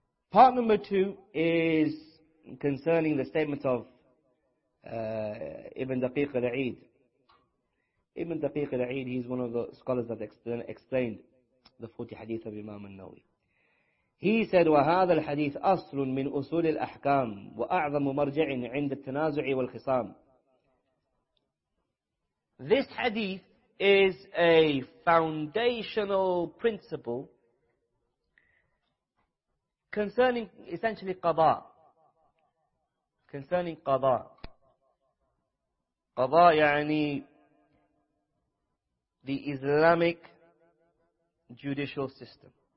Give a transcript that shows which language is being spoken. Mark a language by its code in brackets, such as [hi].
[en] Part number two is concerning the statement of Ibn Daqiq al-A'id. Ibn Daqiq al-A'id, he's one of the scholars that explained the 40 hadith of Imam al-Nawawi. He said, [ar] وَهَذَا الْحَدِيثُ أَصْلٌ مِنْ أُصُولِ الْأَحْكَامِ وَأَعْظَمُ مَرْجِعٍ عِنْدَ التَّنَازُعِ وَالْخِصَامِ. [en] This hadith is a foundational principle concerning essentially qada. Concerning qada. Qada يعني the Islamic judicial system.